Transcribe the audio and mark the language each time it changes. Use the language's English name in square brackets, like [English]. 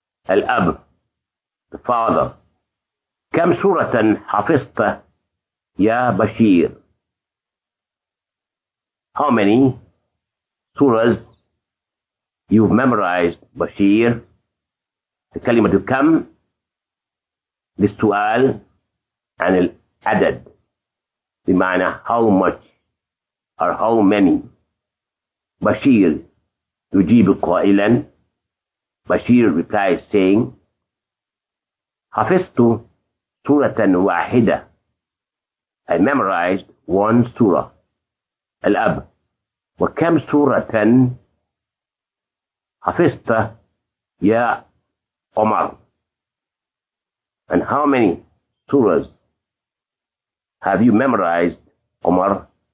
[Arabic] الأب. [English] The father. [Arabic] كم سورة حفظت يا بشير؟ [English] How many surahs you've memorized, Bashir? [Arabic] كلمة كم للسؤال عن العدد بمعنى [English] how much or how many. [Arabic] بشير يجيب قائلا. بشير [English] replies saying [Arabic] حفظت سورة واحدة. [English] I memorized one surah. [Arabic] الأب وكم سورة حفظت يا [English] Omar, and how many surahs have you memorized, Omar?